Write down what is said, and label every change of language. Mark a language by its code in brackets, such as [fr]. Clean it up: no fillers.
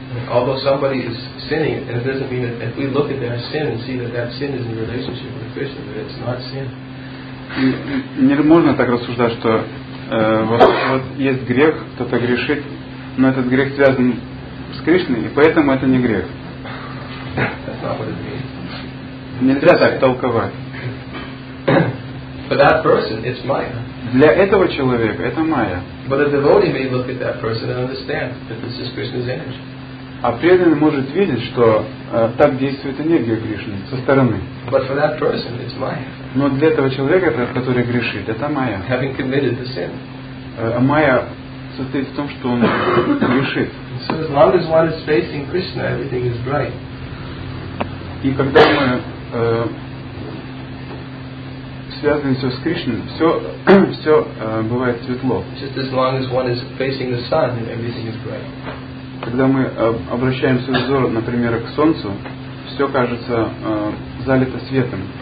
[en] Although somebody is sinning, and it doesn't mean that if we look at their sin and see that that sin is in relationship with Krishna, that it's not sin. [ru] Не можно так рассуждать, что вот есть грех, кто-то грешит, но этот грех связан с Кришной, и поэтому это не грех. [en] That's not what it means. [ru] Нельзя так толковать. [en] For that person, it's Maya. [ru] Для этого человека это Maya. [en] But a devotee may look at that person and understand that this is Krishna's energy. [ru] А преданный может видеть, что так действует энергия Кришны со стороны. [en] But for that person, it's Maya. [ru] Но для этого человека, который грешит, это майя. [en] Having committed the sin. [ru] Майя состоит в том, что он грешит. [en] So as long as one is facing Krishna, everything is bright. [ru] И когда мы связаны все с Кришной, все бывает светло. [en] Just as long as one is facing the sun, everything is bright. [ru] Когда мы обращаем свой взор, например, к солнцу, все кажется залито светом.